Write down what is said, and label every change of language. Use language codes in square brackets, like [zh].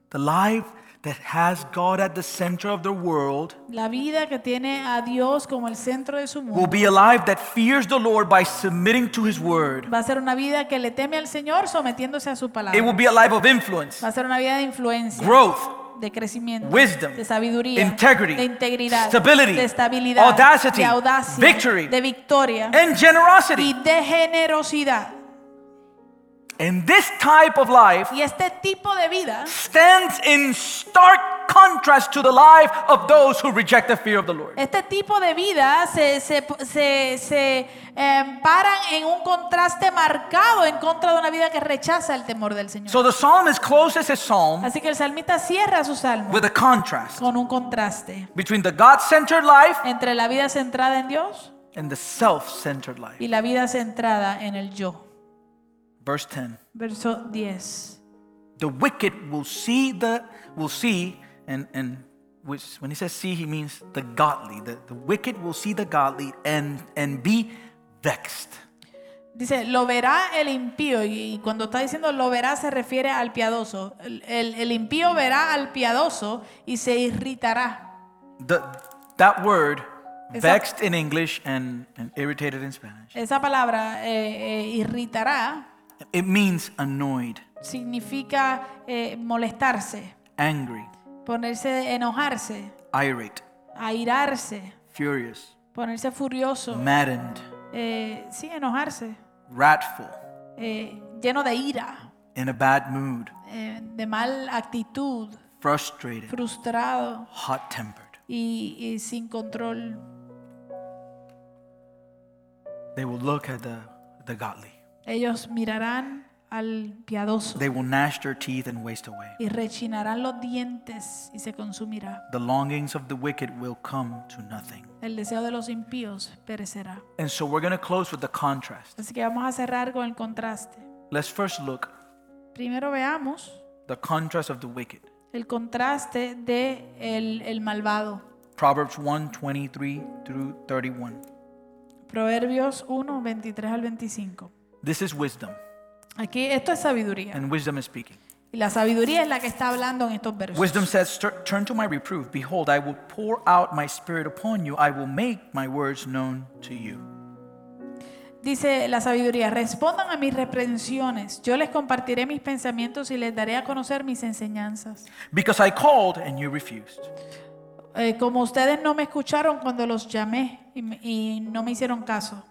[en] The life that has God at the center of their world, [es] la vida que tiene a Dios como el centro de su mundo, [en] will be a life that fears the Lord by submitting to His word. [es] Va a ser una vida que le teme al Señor sometiéndose a su palabra. [en] It will be a life of influence. [es] Va a ser una vida de influencia. [en] Growth. [es] De crecimiento, [en] wisdom, [es] de sabiduría, [en] integrity, [es] de integridad, [en] stability, [es] de estabilidad, [en] audacity, [es] de audacia, [en] victory, [es] de victoria, [en] and generosity, [es] y de generosidad. [en] And this type of life, [es] y este tipo de vida, [en] stands in stark contrast to the life of those who reject the fear of the Lord. [es] Este tipo de vida se paran en un contraste marcado en contra de una vida que rechaza el temor del Señor. [en] So the psalmist closes his psalm, [es] así que el salmista cierra su salmo, [en] with a contrast, [es] con un contraste, [en] between the God-centered life, [es] entre la vida centrada en Dios, [en] and the self-centered life, [es] y la vida centrada en el yo. [en] Verse 10. [es] Verso 10. [en] The wicked will see, when he says see, he means the godly. The wicked will see the godly and be vexed. [es] Dice, lo verá el impío. Y cuando está diciendo lo verá, se refiere al piadoso. El impío verá al piadoso y se irritará. [en] That word, vexed in English and irritated in Spanish. [es] Esa palabra, irritará. [en] It means annoyed. [es] Significa molestarse. [en] Angry. [es] Ponerse enojarse. [en] Irate. [es] Airarse. [en] Furious. [es] Ponerse furioso. [en] Maddened. [es] Sí, enojarse. [en] Wrathful. [es] Lleno de ira. [en] In a bad mood. [es] De mal actitud. [en] Frustrated. [es] Frustrado. [en] Hot-tempered. [es] Y sin control. [en] They will look at the godly. [es] Ellos mirarán al piadoso. [en] They will gnash their teeth and waste away. [es] Y rechinarán los dientes y se consumirá. [en] The longings of the wicked will come to nothing. [es] El deseo de los impíos perecerá. [en] And so we're going to close with the contrast. [es] Así que vamos a cerrar con el contraste. [en] Let's first look. [es] Primero veamos. [en] The contrast of the wicked. [es] El contraste de el malvado. [en] Proverbs 1:23-31. [es] Proverbios 1:23-25. [en] This is wisdom. [es] Aquí, esto es sabiduría. [en] And wisdom is speaking. [es] Y la sabiduría es la que está hablando en estos versos. [en] Wisdom says, turn to my reproof. Behold, I will pour out my spirit upon you. I will make my words known to you. [es] Dice la sabiduría, respondan a mis reprensiones. Yo les compartiré mis pensamientos y les daré a conocer mis enseñanzas. [en] Because I called and you refused. [es] Como ustedes no me escucharon cuando los llamé y no me hicieron caso.